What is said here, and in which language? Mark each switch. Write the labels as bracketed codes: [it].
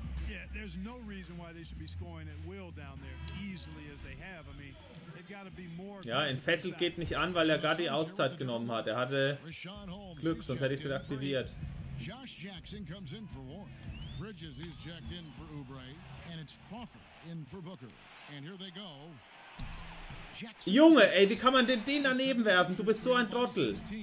[en] Yeah, there's no reason why they should be scoring at will down there easily as they have. I mean, they've got to be more. [de] Ja, entfesselt geht nicht an, weil er gerade die Auszeit genommen hat. Er hatte Glück, sonst hätte ich sie aktiviert. [en] Josh Jackson comes in for Warren. Bridges is checked in for Oubre and it's Crawford in for Booker. And here they go. Jackson. [de] Junge, ey, wie kann man denn den daneben werfen? Du bist so ein Trottel.